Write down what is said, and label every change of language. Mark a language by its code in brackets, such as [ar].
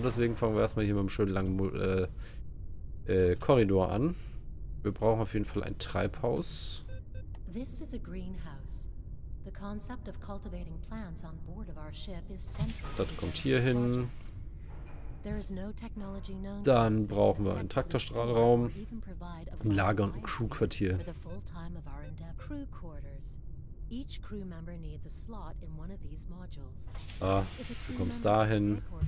[de] Und deswegen fangen wir erstmal hier mit einem schönen langen Korridor an. Wir brauchen auf jeden Fall ein Treibhaus. [en] This is a greenhouse. The concept of cultivating plants on board of our ship is central. [de] Das kommt hier hin. [en] There is no technology known. [de] Dann brauchen wir einen Traktorstrahlraum, ein Lager und ein Crewquartier. [en] For the full time of our endeavor. Crew quarters. Each crew member needs a slot in one of these modules. [de] Ah, du kommst dahin.